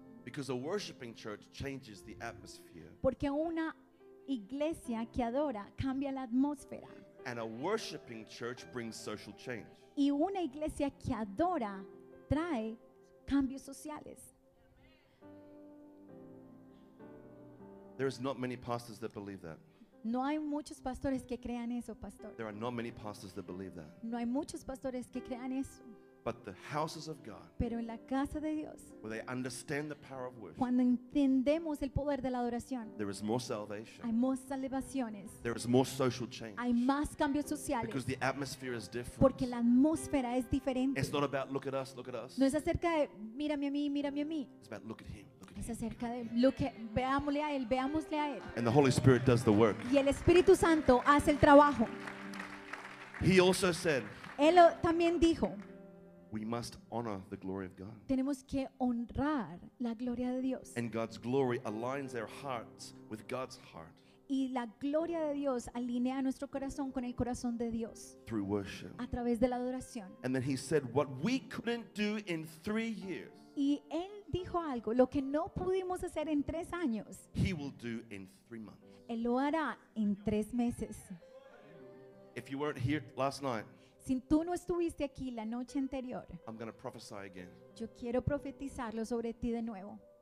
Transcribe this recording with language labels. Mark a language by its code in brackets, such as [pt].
[en] Because a worshiping church changes the atmosphere. [es] Porque una iglesia que adora cambia la atmósfera. [en] And a worshiping church brings social change. [es] Y una iglesia que adora trae cambios sociales. [en] There is not many pastors that believe that. [es] No hay muchos pastores que crean eso, pastor. [en] There are not many pastors that believe that. [es] No hay muchos pastores que crean eso. [en] But the houses of God. [es] Pero en la casa de Dios. [en] Where they understand the power of worship. [es] Cuando entendemos el poder de la adoración. [en] There is more salvation. [es] Hay más salvaciones. [en] There is more social change. [es] Hay más cambios sociales. [en] Because the atmosphere is different. [es] Porque la atmósfera es diferente. [en] It's not about look at us, look at us. [es] No es acerca de mírame a mí, mírame a mí. [en] It's about look at him. [es] Es acerca de lo que veámosle a él, veámosle a él. [en] And the Holy Spirit does the work. [es] Y el Espíritu Santo hace el trabajo. [en] He also said. [es] Él también dijo. [en] We must honor the glory of God. [es] Tenemos que honrar la gloria de Dios. [en] And God's glory aligns our hearts with God's heart. [es] Y la gloria de Dios alinea nuestro corazón con el corazón de Dios. [en] Through worship. [es] A través de la adoración. [en] And then he said what we couldn't do in 3 years. [es] Y él dijo algo, lo que no pudimos hacer en 3 años. [en] He will do in 3 months. [es] Él lo hará en 3 meses. [en] If you weren't here last night. [es] Si tú no estuviste aquí la noche anterior. [en] I'm going to prophesy again. [es] Yo quiero profetizarlo sobre ti de nuevo.